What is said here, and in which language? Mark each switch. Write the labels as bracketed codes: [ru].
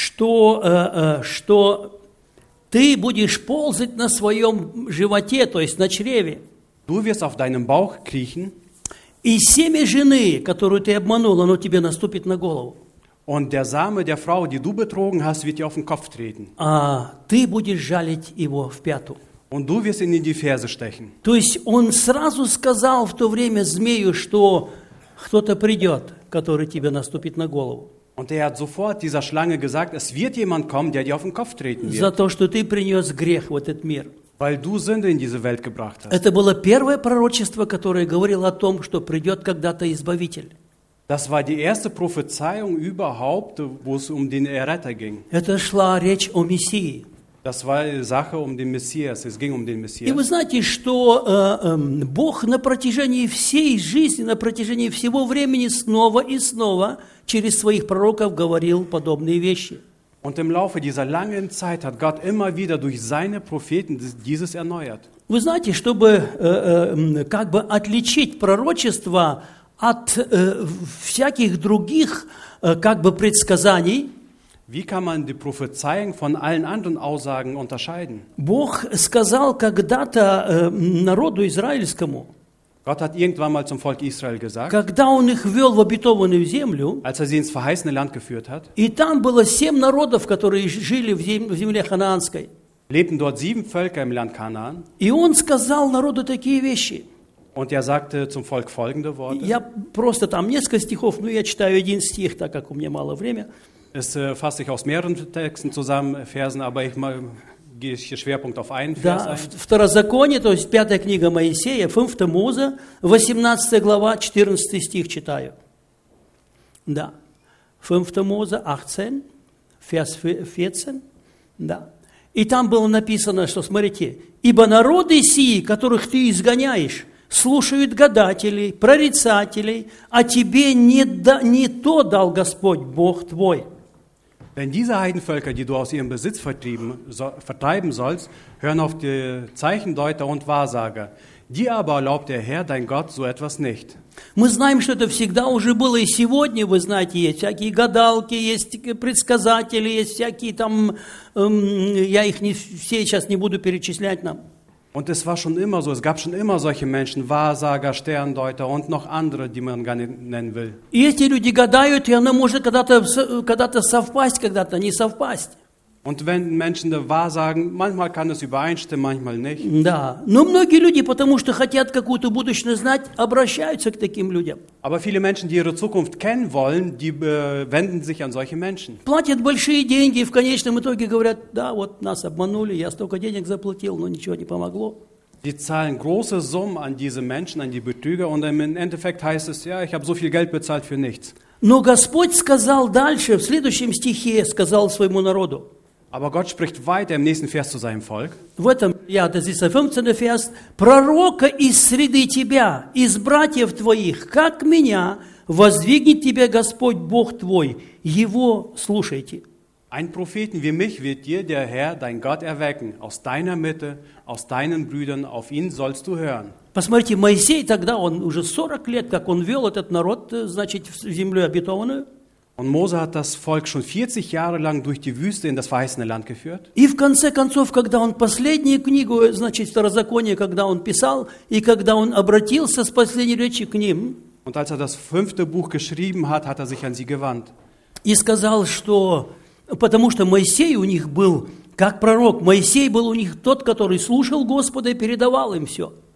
[ru] что ты будешь ползать на своем животе, то есть на чреве. [de] Du wirst auf deinem Bauch kriechen. [ru] И семя жены, которую ты обманул, оно тебе наступит на голову. [de] Und der Same der Frau, die du betrogen hast, wird dir auf den Kopf treten. [ru] А ты будешь жалить его в пяту. [de] Und du wirst ihn in die Ferse stechen. [ru] То есть он сразу сказал в то время змею, что кто-то придет, который тебе наступит на голову. [de] Und er hat sofort dieser Schlange gesagt, es wird jemand kommen, der dir auf den Kopf treten wird. [ru] За то, что ты принес грех в этот мир. [de] Weil du Sünde in diese Welt gebracht hast. [ru] Это было первое пророчество, которое говорило о том, что придет когда-то Избавитель. [de] Das war die erste Prophezeiung überhaupt, wo es um den Erretter ging. [ru] Это шла речь о Мессии. [de] Das war Sache um den Messias. Es ging um den Messias. [ru] И вы знаете, что Бог на протяжении всей жизни, на протяжении всего времени снова и снова через своих пророков говорил подобные вещи. [de] Und im Laufe dieser langen Zeit hat Gott immer wieder durch seine Propheten dieses erneuert. [ru] Вы знаете, чтобы как бы отличить пророчество от всяких других как бы предсказаний? [de] Wie kann man die Prophezeiung von allen anderen Aussagen unterscheiden? [ru] Бог сказал когда-то народу израильскому. [de] Gott hat irgendwann mal zum Volk Israel gesagt, [ru] когда он их вёл в обетованную землю, [de] als er sie ins verheißene Land geführt hat, [ru] и там было семь народов, которые жили в земле Ханаанской, [de] lebten dort sieben Völker im Land Kanaan, [ru] и он сказал народу такие вещи. [de] Und er sagte zum Volk folgende Worte. [ru] Я просто там несколько стихов, но я читаю один стих, так как у меня мало времени. [de] Es fasst sich aus mehreren Texten zusammen, Versen, aber ich mal gehe Schwerpunkt auf einen Vers. [ru] Да, Второзаконие, то есть пятая книга Моисея, 5 Муза, 18 глава, 14 стих читаю. Да. 5 Муза, 18, Vers 14. Да. И там было написано, что смотрите, ибо народы сии, которых ты изгоняешь, слушают гадателей, прорицателей, а тебе не то дал Господь Бог твой. [de] Denn diese Heidenvölker, die du aus ihrem Besitz vertreiben sollst, hören auf die Zeichendeuter und Wahrsager. Dir aber erlaubt der Herr, dein Gott, so etwas nicht. [ru] Мы знаем, что это всегда уже было и сегодня, вы знаете, есть всякие гадалки, есть предсказатели, есть всякие там, я их не все сейчас не буду перечислять нам. [de] Und es war schon immer so, es gab schon immer solche Menschen, Wahrsager, Sterndeuter und noch andere, die man gar nicht nennen will. [ru] Если люди гадают, и оно может когда-то совпасть, когда-то не совпасть. [de] Und wenn Menschen da wahrsagen, manchmal kann es übereinstimmen, manchmal nicht. [ru] Да, но многие люди, потому что хотят какую-то будущность знать, обращаются к таким людям. [de] Aber viele Menschen, die ihre Zukunft kennen wollen, die wenden sich an solche Menschen. [ru] Платят большие деньги, в конечном итоге говорят, да, вот нас обманули, я столько денег заплатил, но ничего не помогло. [de] Die zahlen große Summen an diese Menschen, an die Betrüger, und im Endeffekt heißt es, ja, ich habe so viel Geld bezahlt für nichts. [ru] Но Господь сказал дальше, в следующем стихе сказал своему народу. [de] Aber Gott spricht weiter im nächsten Vers zu seinem Volk. [ru] В этом, [de] ja, das ist der 15. Vers. [ru] Пророка из среды тебя, из братьев твоих, как меня, воздвигнет тебя Господь Бог твой. Его слушайте. [de] Ein Propheten wie mich wird dir der Herr, dein Gott, erwecken. Aus deiner Mitte, aus deinen Brüdern, auf ihn sollst du hören. [ru] Посмотрите, Моисей тогда, он уже 40 лет, как он вел этот народ, значит, в землю обетованную. [de] Und Mose hat das Volk schon 40 Jahre lang durch die Wüste in das verheißene Land geführt. [ru] И в конце концов, когда он последнюю книгу, значит, Второзаконие, когда он писал, и когда он обратился с последней речи к ним, [de] und als er das fünfte Buch geschrieben hat, hat er sich an sie gewandt. [ru] И сказал, что потому что Моисей у них был как пророк, Моисей был у них тот, который слушал Господа и передавал им все.